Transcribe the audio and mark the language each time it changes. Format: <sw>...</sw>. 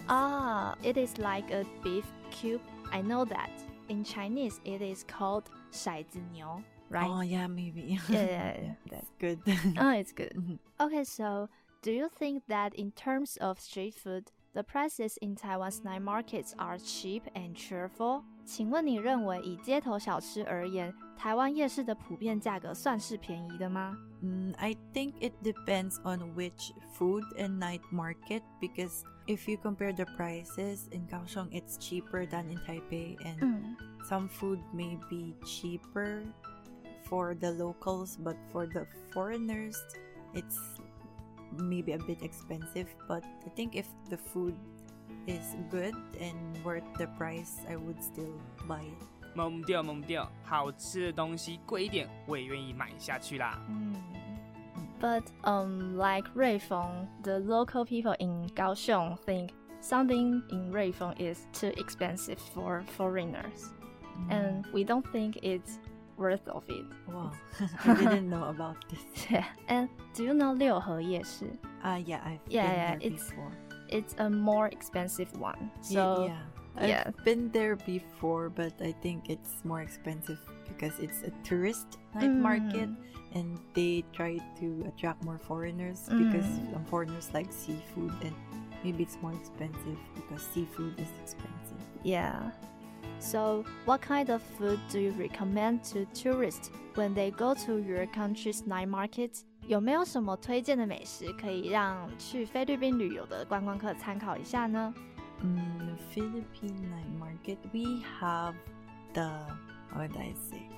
<en>Ah, it is like a beef cube. I know that. In Chinese, it is called 骰子牛. right? Oh, yeah, maybe. Yeah. That's good. Oh, it's good. Okay, so do you think that in terms of street food, the prices in Taiwan's night markets are cheap and cheerful?</en> <zh>请问你认为以街头小吃而言，台湾夜市的普遍价格算是便宜的吗？</zh> <en>I think it depends on which food and night market, because if you compare the prices in Kaohsiung, it's cheaper than in Taipei, and some food may be cheaper for the locals, but for the foreigners, it's maybe a bit expensive. But I think if the food is good and worth the price, I would still buy it.</en> <zh>蒙掉，好吃的东西贵一点，我也愿意买下去啦。</zh> <en>But like Rayfeng, the local people in Kaohsiung think something in Rayfeng is too expensive for foreigners, and we don't think it's worth of it. Wow, I didn't know about this. Yeah. And do you know 六合夜市? Yeah, I've been there before. It's a more expensive one. So I've been there before, but I think it's more expensive because it's a tourist night market, and they try to attract more foreigners because foreigners like seafood, and maybe it's more expensive because seafood is expensive. Yeah. So what kind of food do you recommend to tourists when they go to your country's night market?</en> <zh>有没有什么推荐的美食可以让去菲律宾旅游的观光客参考一下呢？</zh> <en>Philippine night market, we have the, what did I say?</en>